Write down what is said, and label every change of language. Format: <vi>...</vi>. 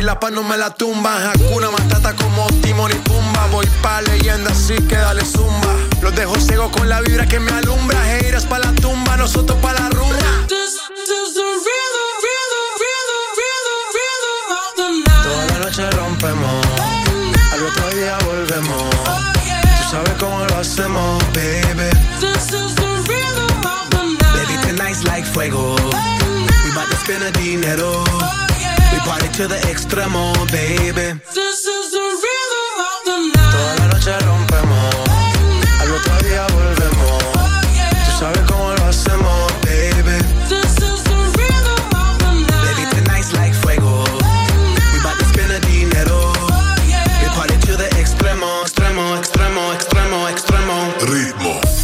<es>No me la tumba, Hakuna Matata como Timón y Pumba. Voy pa' leyenda, así que dale zumba. Los dejo ciego con la vibra que me alumbra. Heiras pa' la tumba, nosotros pa' la rumba.</es> <en>This is the rhythm of the night.</en> <es>Toda la noche rompemos, al otro día volvemos.</es> <en>Oh, yeah.</en> <es>Tú sabes cómo lo hacemos, baby.</es> <en>This is the rhythm of the night. Baby, tonight's like fuego.</en> <es>Oh, dinero.</es> <en>Oh, yeah. We party to the extremo, baby. This is the rhythm of the night.</en> <es>Toda la noche rompemos. Oh, al otro día volvemos.</es> <en>Oh, yeah.</en> <es>Tú sabes cómo lo hacemos, baby.</es> <en>This is the rhythm of the night. Baby, tonight's like fuego. Oh, we about to spend the dinero. Oh, yeah. We party to the</en> <es>extremo, extremo, extremo, extremo, extremo. Ritmo.</es>